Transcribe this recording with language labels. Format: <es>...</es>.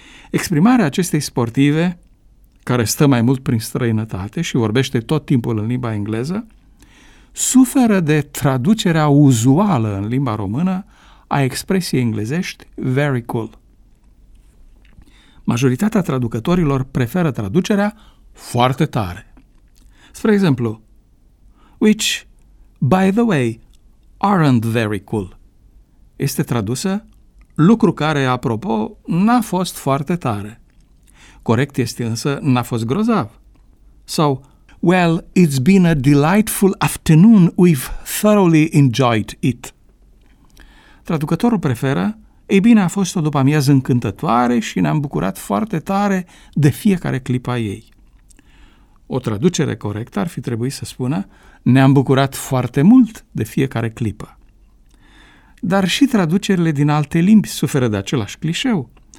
<ro>Exprimarea acestei sportive, care stă mai mult prin străinătate și vorbește tot timpul în limba engleză, suferă de traducerea uzuală în limba română a expresiei englezești very cool. Majoritatea traducătorilor preferă traducerea foarte tare. Spre exemplu,</ro> <en>which, by the way, aren't very cool.</en> <ro>Este tradusă: lucru care, apropo, n-a fost foarte tare. Corect este însă: n-a fost grozav. Sau,</ro> <en>well, it's been a delightful afternoon, we've thoroughly enjoyed it.</en> <ro>Traducătorul preferă: ei bine, a fost o după-amiază încântătoare și ne-am bucurat foarte tare de fiecare clipa ei. O traducere corectă ar fi trebuit să spună: ne-am bucurat foarte mult de fiecare clipă. Dar și traducerile din alte limbi suferă de același clișeu.</ro>